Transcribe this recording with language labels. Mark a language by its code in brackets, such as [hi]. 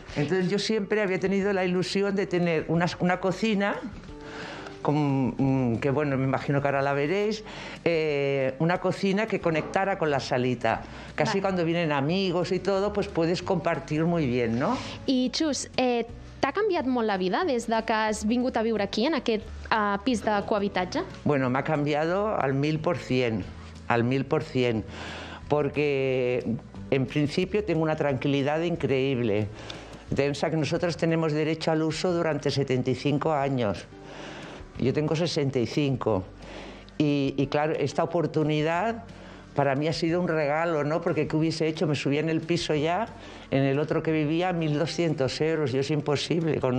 [es] Entonces yo siempre había tenido la ilusión de tener una cocina, que bueno, me imagino que ahora la veréis, una cocina que conectara con la salita. Casi vale. Cuando vienen amigos y todo, pues puedes compartir muy bien, ¿no? Y Chus, [ca] T'ha canviat molt la vida des de que has vingut a viure aquí, en aquest pis de cohabitatge? Bueno, m'ha canviat al 1000%, al 1000%, perquè en principi tinc una tranquil·litat increïble. [es] Pensa que nosotros tenemos derecho al uso durante 75 años. Yo tengo 65. Y claro, esta oportunidad para mí ha sido un regalo, ¿no? Porque ¿qué hubiese hecho? Me subí en el piso ya, en el otro que vivía, 1.200 euros. Yo es imposible.